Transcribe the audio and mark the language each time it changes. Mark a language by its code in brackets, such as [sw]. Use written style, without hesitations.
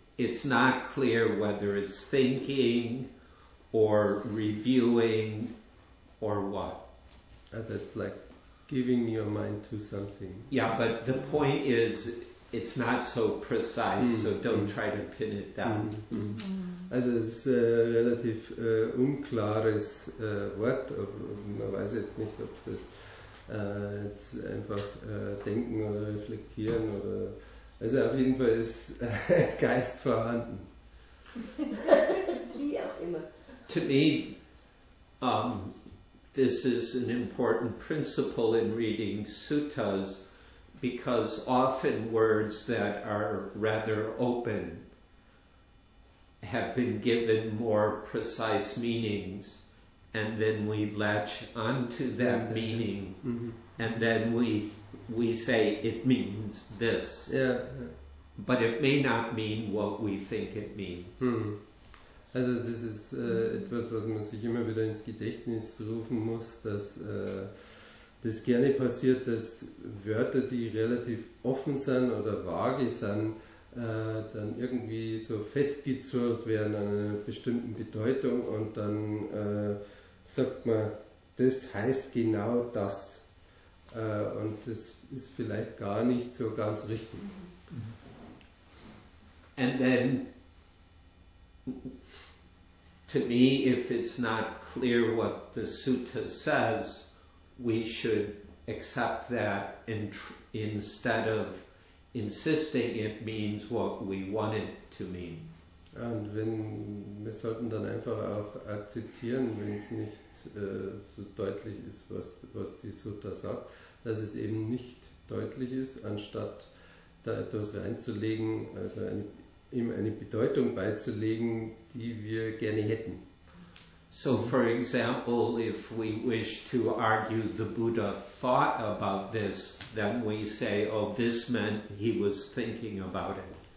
[en] It's not clear whether it's thinking or reviewing or what. That's like giving your mind to something. Yeah, but the point is, it's not so precise, so don't try to pin it down. [de] Mm. Mm. Also es ist ein relativ unklares Wort. Man weiß jetzt nicht, ob das jetzt einfach denken oder reflektieren oder... Also auf jeden Fall ist Geist vorhanden. Wie auch immer. [en] To me, this is an important principle in reading suttas, because often words that are rather open have been given more precise meanings, and then we latch onto that meaning, mm-hmm. and then we say it means this. Yeah. But it may not mean what we think it means. Mm-hmm. [de] Also das ist etwas, was man sich immer wieder ins Gedächtnis rufen muss, dass das gerne passiert, dass Wörter, die relativ offen sind oder vage sind, dann irgendwie so festgezurrt werden an einer bestimmten Bedeutung und dann sagt man, das heißt genau das. Und das ist vielleicht gar nicht so ganz richtig. [en] And then, to me, if it's not clear what the sutta says, we should accept that instead of insisting it means what we want it to mean. [de] Und wenn wir sollten dann einfach auch akzeptieren, wenn es nicht so deutlich ist, was die Sutta sagt, dass es eben nicht deutlich ist, anstatt da etwas reinzulegen, also eine Bedeutung beizulegen, die wir gerne hätten. [en] So for example, if we wish to argue the Buddha thought about this, then we say, oh, this meant he was thinking about it.